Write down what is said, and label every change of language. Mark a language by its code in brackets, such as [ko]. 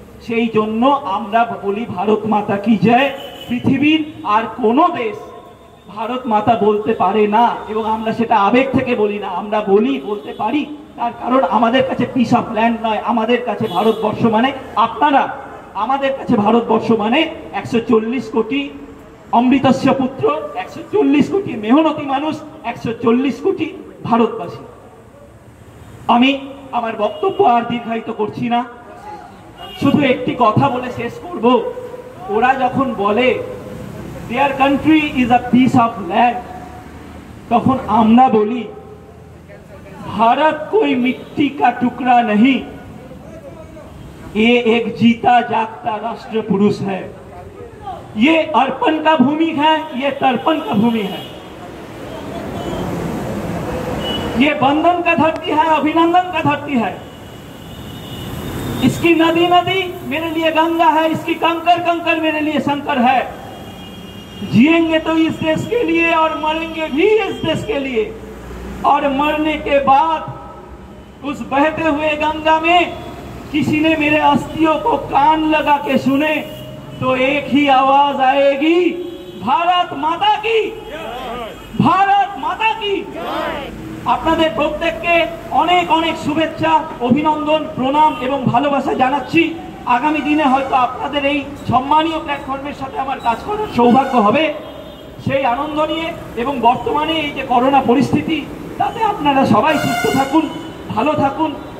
[bn] সেই জন্য আমরা বলি ভারত মাতা কি জয়, পৃথিবীর আর কোনো দেশ ভারত মাতা বলতে পারে না, এবং আমরা সেটা আবেগ থেকে বলি না, আমরা বলি বলতে পারি, তার কারণ আমাদের কাছে পিস অফ ল্যান্ড নয়, আমাদের কাছে ভারতবর্ষ মানে আপনারা, আমাদের কাছে ভারতবর্ষ মানে 140 কোটি অমৃতস্য পুত্র, 140 কোটি মেহনতি মানুষ, 140 কোটি ভারতবাসী। আমি আমার বক্তব্য আর দীর্ঘায়িত করছি না, শুধু একটি কথা বলে শেষ করব, ওরা যখন বলে [en] their country is a piece of land, [bn] তখন আমরা বলি [hi] ভারত কোই মিট্টি কা টুকরা নহি, ये एक जीता जागता राष्ट्र पुरुष है, ये अर्पण का भूमि है, ये तर्पण का भूमि है, ये बंधन का धरती है, अभिनंदन का धरती है, इसकी नदी नदी मेरे लिए गंगा है, इसकी कंकर कंकर मेरे लिए शंकर है। जिएंगे तो इस देश के लिए और मरेंगे भी इस देश के लिए, और मरने के बाद उस बहते हुए गंगा में किसी ने मेरे अस्थियों को कान लगा के सुने तो एक ही आवाज आएगी, भारत माता की, भारत माता की। [bn] আপনাদের প্রত্যেককে অনেক অনেক শুভেচ্ছা, অভিনন্দন, প্রণাম এবং ভালোবাসা জানাচ্ছি। আগামী দিনে হয়তো আপনাদের এই সম্মানীয় প্ল্যাটফর্মের সাথে আমার কাজ করার সৌভাগ্য হবে, সেই আনন্দ নিয়ে। এবং বর্তমানে এই যে করোনা পরিস্থিতি, তাতে আপনারা সবাই সুস্থ থাকুন, ভালো থাকুন।